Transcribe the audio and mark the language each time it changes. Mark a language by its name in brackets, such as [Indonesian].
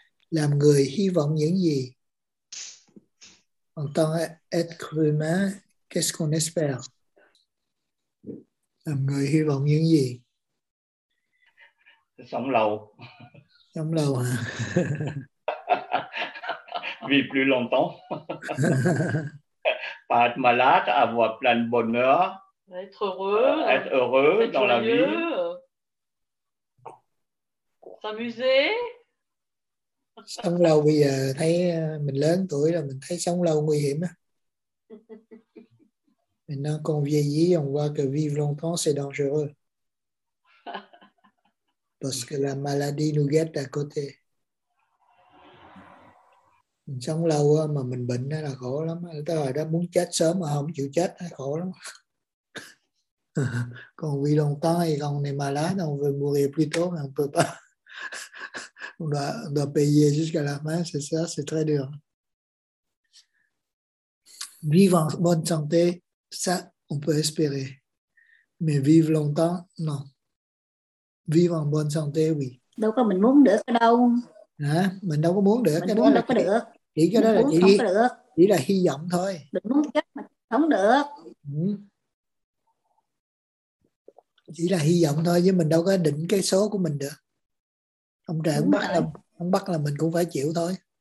[Vietnamese] Làm người hy vọng những gì? [French] En tant qu'être humain, qu'est-ce qu'on espère? [Vietnamese] Làm người hy vọng những gì? Sống lâu. Sống lâu hả? [French] Vivre plus longtemps. Pas être malade, avoir plein de bonheur. Être heureux être dans curieux, la vie. S'amuser. [Vietnamese] Sống lâu bây giờ thấy mình lớn tuổi là mình thấy sống lâu nguy hiểm. [French] Maintenant qu'on vieillit, on voit que vivre longtemps, c'est dangereux. Parce que la maladie nous guette à côté. [Vietnamese] Mình sống lâu mà mình bệnh là khổ lắm. Tôi hỏi đó muốn chết sớm mà không chịu chết là khổ lắm. [French] Quand on vit longtemps et quand on est malade, on veut mourir plus tôt, mais on ne peut pas. On doit payer jusqu'à la fin, c'est ça, c'est très dur. Vivre en bonne santé, ça, on peut espérer. Mais vivre longtemps, non. Vivre en bonne santé, oui. [Vietnamese] Đâu có mình muốn được đâu. Hả? Mình đâu có muốn được. Mình muốn đâu có được. Chỉ cái đó là chỉ là, chỉ là hy vọng thôi. Mình muốn chết mà không được. Chỉ là hy vọng thôi chứ mình đâu có định cái số của mình được. Ông trời không bắt, là mình cũng phải chịu thôi.